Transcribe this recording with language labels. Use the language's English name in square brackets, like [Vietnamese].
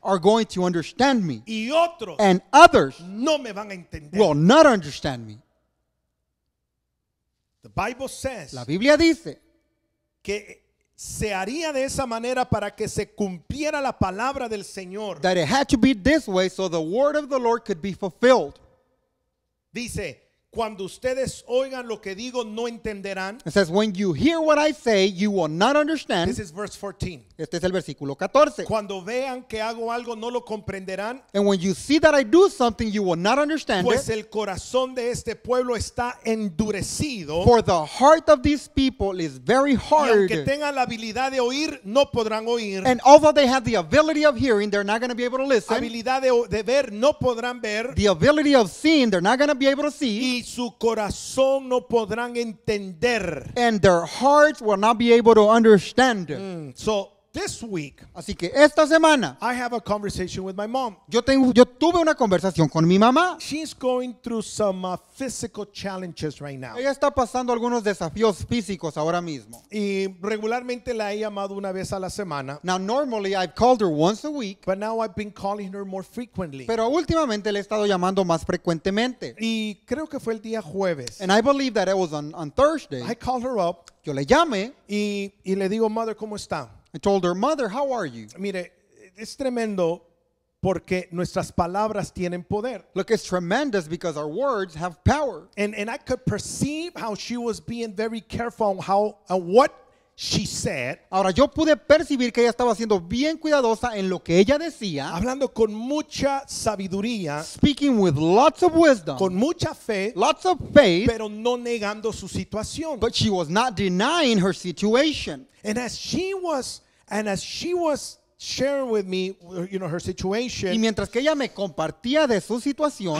[English] Are going to understand me. [Spanish] Y otros. [English] And others. [Spanish] No me van a entender. [English] Will not understand me. The Bible says, [Spanish] la Biblia dice que se haría de esa manera para que se cumpliera la palabra del Señor. [English] That it had to be this way so the word of the Lord could be fulfilled. [Spanish] Dice, cuando ustedes oigan lo que digo, no entenderán. [English] It says, when you hear what I say, you will not understand. This is verse 14. [Spanish] Este es el versículo 14. Cuando vean que hago algo, no lo comprenderán. [English] And when you see that I do something, you will not understand [Spanish] pues [English] it. [Spanish] El corazón de este pueblo está endurecido. [English] For the heart of these people is very hard. [Spanish] Y aunque tengan la habilidad de oír, no podrán oír. [English] And although they have the ability of hearing, they're not going to be able to listen. [Spanish] Habilidad de ver, no podrán ver. [English] The ability of seeing, they're not going to be able to see. [Spanish] Y su corazón no podrán entender. [English] And their hearts will not be able to understand. So this week, [Spanish] así que esta semana, [English] I have a conversation with my mom. [Spanish] Yo tuve una conversación con mi mamá. [English] She's going through some physical challenges right now. [Spanish] Ella está pasando algunos desafíos físicos ahora mismo. Y regularmente la he llamado una vez a la semana. [English] Now normally I've called her once a week. But now I've been calling her more frequently. [Spanish] Pero últimamente le he estado llamando más frecuentemente. Y creo que fue el día jueves. [English] And I believe that it was on Thursday. I called her up. [Spanish] Yo le llamé. Y le digo, mother, ¿cómo está? [English] I told her, mother, how are you? [Spanish] Mire, es tremendo porque nuestras palabras tienen poder. [English] Look, it's tremendous because our words have power. And I could perceive how she was being very careful how and what she said. [Spanish] Ahora yo pude percibir que ella estaba siendo bien cuidadosa en lo que ella decía. Hablando con mucha sabiduría. [English] Speaking with lots of wisdom. [Spanish] Con mucha fe. [English] Lots of faith. [Spanish] Pero no negando su situación. [English] But she was not denying her situation. And as she was sharing with me, you know, her situation. [Spanish] Y mientras que ella me compartía de su situación,